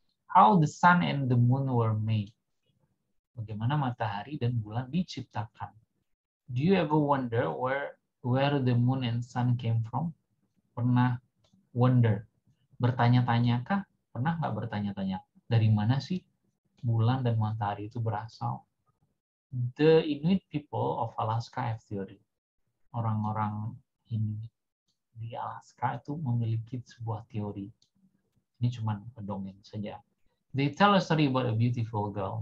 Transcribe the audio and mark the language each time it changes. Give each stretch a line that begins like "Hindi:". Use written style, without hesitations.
English: How the sun and the moon were made.
Indonesian: Bagaimana matahari dan bulan diciptakan.
English: Do you ever wonder where the moon and sun came from?
Indonesian: Pernah wonder. Bertanya-tanyakah? Pernah nggak bertanya-tanya? Dari mana sih bulan dan matahari itu berasal?
English: The Inuit people of Alaska have theory.
Indonesian: Orang-orang ini di Alaska itu memiliki sebuah teori. Ini cuma pendongeng saja.
English: They tell a story about a beautiful girl.